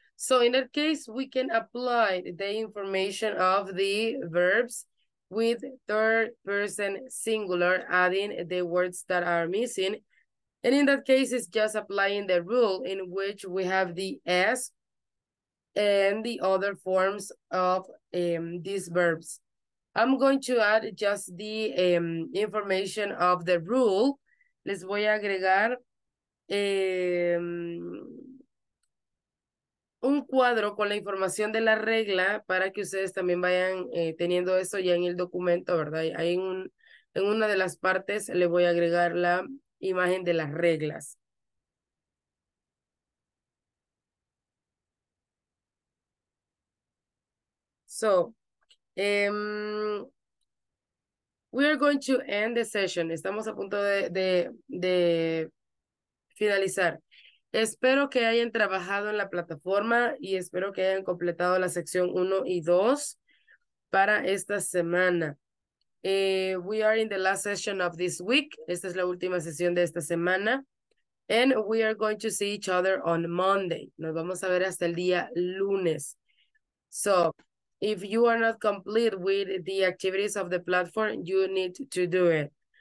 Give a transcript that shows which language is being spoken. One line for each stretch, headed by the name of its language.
English: So in that case, we can apply the information of the verbs with third person singular, adding the words that are missing. And in that case, it's just applying the rule in which we have the S and the other forms of these verbs. I'm going to add just the information of the rule.
Spanish: Les voy a agregar un cuadro con la información de la regla para que ustedes también vayan teniendo eso ya en el documento, ¿verdad? Hay un En una de las partes le voy a agregar la imagen de las reglas.
English: So, we are going to end the session.
Spanish: Estamos a punto de finalizar. Espero que hayan trabajado en la plataforma y espero que hayan completado la sección 1 y 2 para esta semana.
English: We are in the last session of this week.
Spanish: Esta es la última sesión de esta semana.
English: And we are going to see each other on Monday.
Spanish: Nos vamos a ver hasta el día lunes.
English: So, if you are not complete with the activities of the platform, you need to do it.